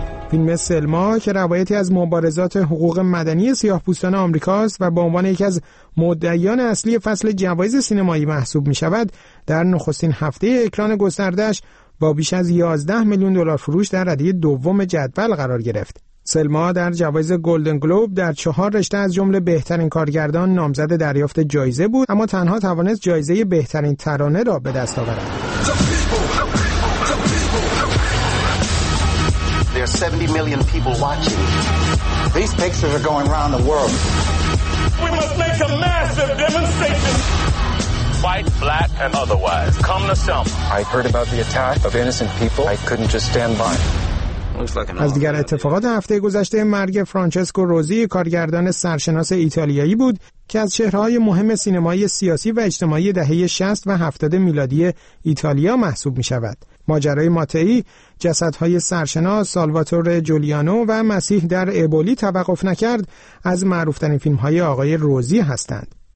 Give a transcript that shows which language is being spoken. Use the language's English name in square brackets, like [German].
[Persian] فیلم سلما که روایتی از مبارزات حقوق مدنی سیاه‌پوستان آمریکاست و به عنوان یکی از مدعیان اصلی فصل جوایز سینمایی محسوب می‌شود، در نخستین هفته اکران گسترده‌اش با بیش از 11 میلیون دلار فروش در رده دوم جدول قرار گرفت. سلما در جوایز گلدن گلوب در 4 رشته از جمله بهترین کارگردان نامزد دریافت جایزه بود، اما تنها توانست جایزه بهترین ترانه را به دست آورد. [English] There are 70 million people watching. These pictures are going around the world. We must make a massive demonstration. White, black and otherwise. Come the sum. I heard about the attack of innocent people. I couldn't just stand by. [Persian] از دیگر اتفاقات هفته گذشته، مرگ فرانچسکو روزی، کارگردان سرشناس ایتالیایی بود که از چهره‌های مهم سینمای سیاسی و اجتماعی دهه 60 و 70 میلادی ایتالیا محسوب می‌شود. ماجرای ماتئی، جسدهای سرشناس سالواتور جولیانو و مسیح در ابولی توقف نکرد، از معروف‌ترین فیلم‌های آقای روزی هستند.